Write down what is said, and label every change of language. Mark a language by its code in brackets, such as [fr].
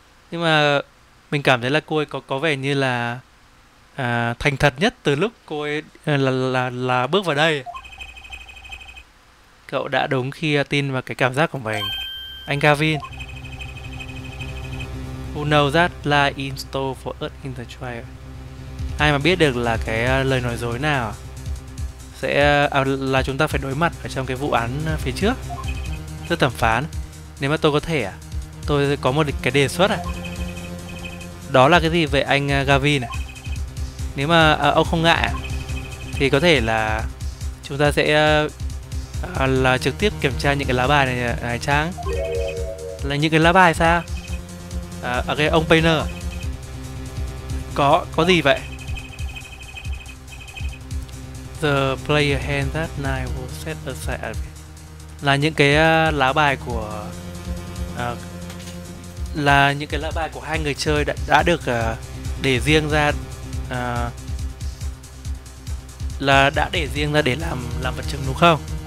[vi] Nhưng mà mình cảm thấy là cô ấy có vẻ như là thành thật nhất từ lúc cô ấy là bước vào đây. Cậu đã đúng khi tin vào cái cảm giác của mình, anh Gavin. [en] Who knows that lie in store for us in the trial? [vi] Ai mà biết được là cái lời nói dối nào sẽ là chúng ta phải đối mặt ở trong cái vụ án phía trước. Thưa thẩm phán, nếu mà tôi có thể, tôi có một cái đề xuất. Đó là cái gì về anh Gavin? Nếu mà ông không ngại thì có thể là chúng ta sẽ là trực tiếp kiểm tra những cái lá bài này chăng? Là những cái lá bài sao? Okay, ông Painter. Có gì vậy? [en] The player hand that night was set aside. [vi] Là những cái lá bài của là những cái lá bài của hai người chơi đã được để riêng ra, là đã để riêng ra để làm vật chứng đúng không?